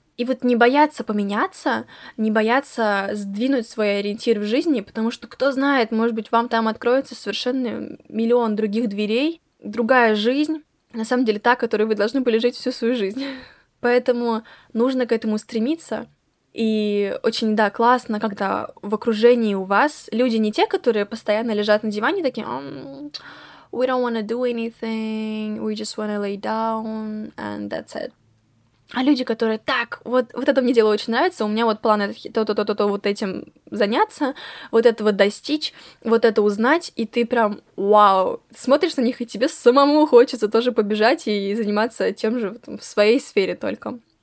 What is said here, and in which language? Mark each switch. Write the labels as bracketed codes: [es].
[ru] И вот не бояться поменяться, не бояться сдвинуть свой ориентир в жизни, потому что, кто знает, может быть, вам там откроется совершенно миллион других дверей, другая жизнь, на самом деле та, которой вы должны были жить всю свою жизнь. Поэтому нужно к этому стремиться. И очень, да, классно, когда в окружении у вас люди не те, которые постоянно лежат на диване такие... [en] We don't want to do anything, we just want to lay down, and that's it. [ru] А люди, которые так, вот это мне дело очень нравится, у меня вот планы то-то-то-то-то вот этим заняться, вот этого достичь, вот это узнать, и ты прям вау, смотришь на них, и тебе самому хочется тоже побежать и заниматься тем же там, в своей сфере только.